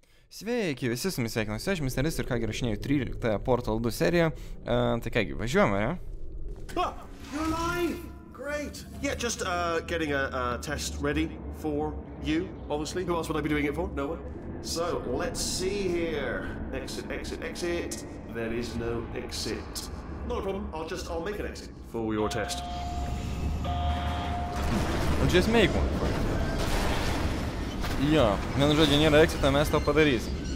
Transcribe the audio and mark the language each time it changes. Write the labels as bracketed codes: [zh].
[lt] Sveiki, visi su jumis sveikinuosi, aš Misteris ir ką gerašinėjau 13 Portal 2 seriją. Tai kągi, važiuojame, ne? [en] You're alive! Great! Yeah, just getting a test ready for you, obviously. Who else would I be doing it for? No one. So, let's see here. Exit, exit, exit. There is no exit. Not a problem, I'll make an exit for your test. I'll just make one. [lt] Jo, vienu žodžiu, nėra eksito, mes to padarysim.